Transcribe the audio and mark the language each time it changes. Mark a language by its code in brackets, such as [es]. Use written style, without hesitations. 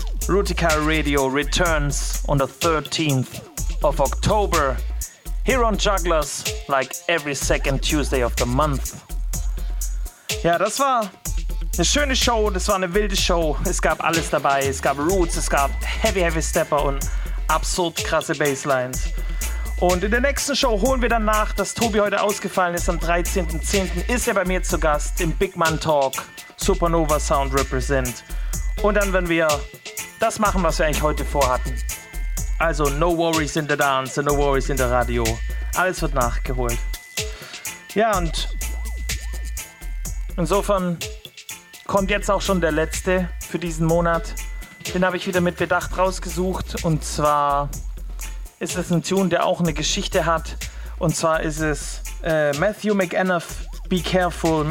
[en] Rootikal Radio returns on the 13th of October. Here on Jugglers, like every second Tuesday of the month. [de] Ja, das war eine schöne Show. Das war eine wilde Show. Es gab alles dabei. Es gab Roots, es gab Heavy, Heavy Stepper und absurd krasse Basslines. Und in der nächsten Show holen wir dann nach, dass Tobi heute ausgefallen ist. Am 13.10. ist er bei mir zu Gast im Big Man Talk Supernova Sound Represent. Und dann werden wir das machen, was wir eigentlich heute vorhatten. Also [en] no worries in the dance, no worries in the radio. [de] Alles wird nachgeholt. Ja, und insofern kommt jetzt auch schon der letzte für diesen Monat. Den habe ich wieder mit Bedacht rausgesucht. Und zwar ist es ein Tune, der auch eine Geschichte hat. Und zwar ist es Matthew McAnuff, Be Careful.